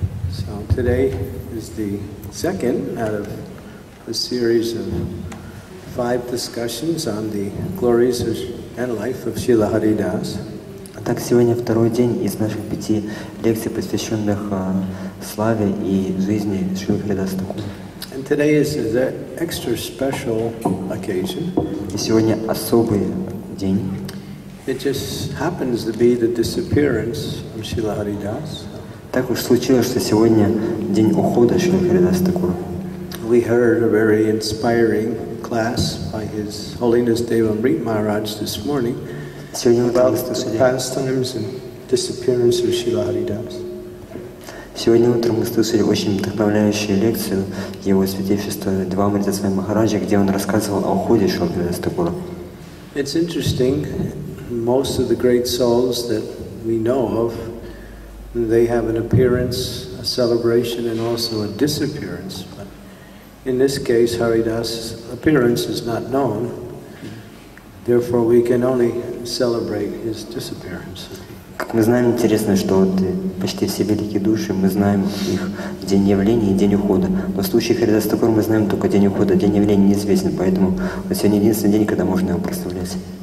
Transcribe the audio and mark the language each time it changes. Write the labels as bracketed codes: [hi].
[en] So today is the second out of a series of five discussions on the glories and life of Srila Haridas. [ru] Так сегодня второй день из наших пяти лекций, посвященных славе и жизни Шрилы Харидаса Такура. [en] And today is an extra special occasion. [ru] И сегодня особый день. [en] It just happens to be the disappearance of Srila Haridas. [ru] Так уж случилось, что сегодня день ухода Шрилы Харидаса Такура. [en] We heard a very inspiring class by His Holiness Devamrita Maharaj this morning about the pastimes and disappearance of Srila Haridas. [ru] Сегодня утром мы слушали очень вдохновляющую лекцию Его Святейшества Девамрита Свами Махараджа, где он рассказывал о уходе Шрилы Харидаса Такура. [en] It's interesting. Most of the great souls that we know of, they have an appearance, a celebration, and also a disappearance. But in this case, Haridas' appearance is not known. Therefore, we can only celebrate his disappearance. [ru] Как мы знаем, интересно, что вот почти все великие души, мы знаем их день явления и день ухода. Но в случае Харидаса Такура мы знаем только день ухода, день явления неизвестен. Поэтому вот сегодня единственный день, когда можно его представлять.